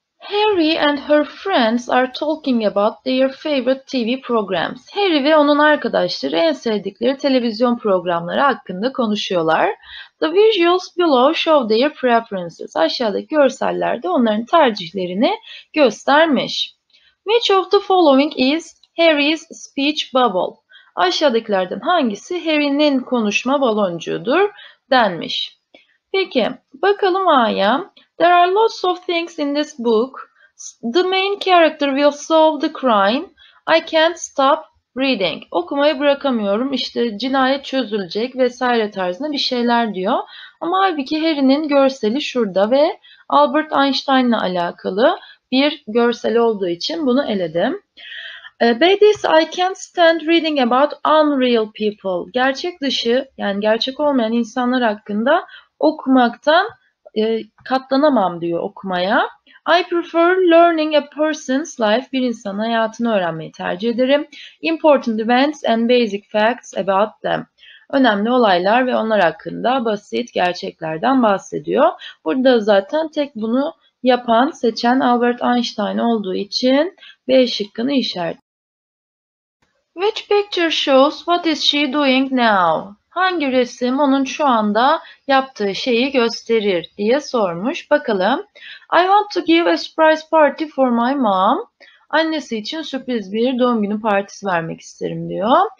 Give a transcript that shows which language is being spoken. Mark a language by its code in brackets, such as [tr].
[en] Harry and her friends are talking about their favorite TV programs. [tr] Harry ve onun arkadaşları en sevdikleri televizyon programları hakkında konuşuyorlar. [en] The visuals below show their preferences. [tr] Aşağıdaki görseller de onların tercihlerini göstermiş. [en] Which of the following is Harry's speech bubble? [tr] Aşağıdakilerden hangisi Harry'nin konuşma baloncuğudur denmiş. Peki, bakalım A'ya. [en] There are lots of things in this book. The main character will solve the crime. I can't stop reading. [tr] Okumayı bırakamıyorum. İşte cinayet çözülecek vesaire tarzında bir şeyler diyor. Ama halbuki Harry'nin görseli şurada ve Albert Einstein'la alakalı bir görsel olduğu için bunu eledim. [en] B this I can't stand reading about unreal people. [tr] Gerçek dışı, yani gerçek olmayan insanlar hakkında okumaktan katlanamam diyor okumaya. [en] I prefer learning a person's life. [tr] Bir insanın hayatını öğrenmeyi tercih ederim. [en] Important events and basic facts about them. [tr] Önemli olaylar ve onlar hakkında basit gerçeklerden bahsediyor. Burada zaten tek bunu yapan, seçen Albert Einstein olduğu için B şıkkını işaret. [en] Which picture shows what is she doing now? [tr] Hangi resim onun şu anda yaptığı şeyi gösterir diye sormuş. Bakalım. [en] I want to give a surprise party for my mom. [tr] Annesi için sürpriz bir doğum günü partisi vermek isterim diyor.